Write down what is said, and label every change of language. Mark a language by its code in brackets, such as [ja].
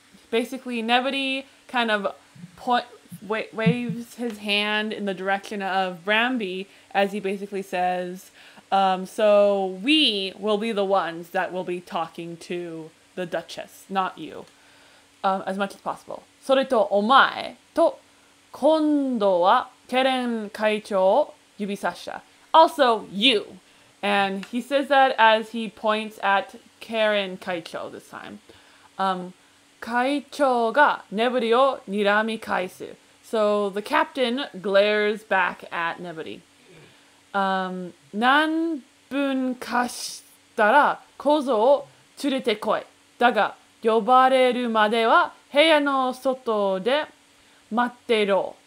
[en] Basically Neburi kind of waves his hand in the direction of Brambi as he basically says, so we will be the ones that will be talking to the Duchess, not you, as much as possible. [ja] それとお前と今度はケレン会長を指さした。 [en] Also, you. And he says that as he points at Karen 会長 this time. [ja] 会長がネブリをにらみ返す。 [en] So the captain glares back at ネブリ。 [ja] 何分かしたら小僧を連れてこい。だが呼ばれるまでは部屋の外で待ってろ。